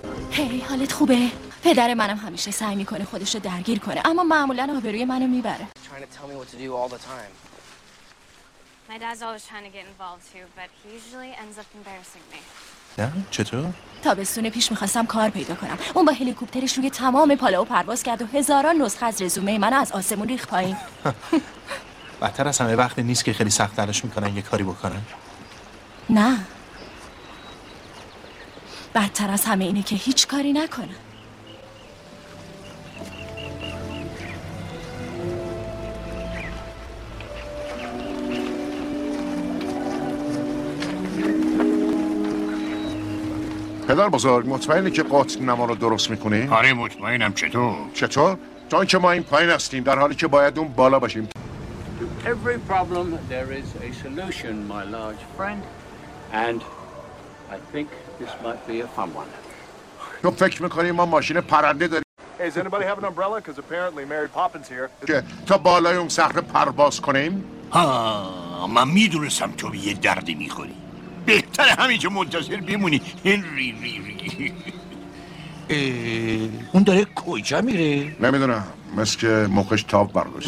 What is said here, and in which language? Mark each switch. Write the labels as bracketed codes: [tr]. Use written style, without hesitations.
[fa] هی حالت خوبه؟ پدر منم همیشه سعی میکنه خودشو درگیر کنه، اما معمولا آبروی منو میبره. [en] My dad's always trying to get involved too, but he usually ends up embarrassing me. [fa] نه؟ چطور؟ تابستون پیش میخواستم کار پیدا کنم. اون با هلیکوپترش روی تمام پالاو پرواز کرد و هزاران نسخه از رزومه من از آسمون ریخت پایین. بهتر از همه وقتی نیست که خیلی سخت تلاش میکنن یه کاری بکنن؟ نه، بدتر از همه اینه که هیچ کاری نکنن. پدر بزرگ مطمئنه که قاطع نما رو درست میکنی؟ آره مطمئنم. چطور؟ چطور؟ تا اینکه ما این پایین هستیم در حالی که باید اون بالا باشیم. [en] To every problem there is a solution, my large friend, and I think this might be a fun one. [fa] تو فکر میکنی ما ماشین پرنده داریم؟ [en] Does anybody have an umbrella? Because apparently Mary Poppins here. [fa] که تا بالای اون صخره پرواز کنیم؟ ها، من میدونستم تو یه دردی میخوری. بهتر همینجا منتظر بمونی. هنری ری ری ری. اون داره کجا میره؟ نمیدونم، مثل که مخش تاب برداشت.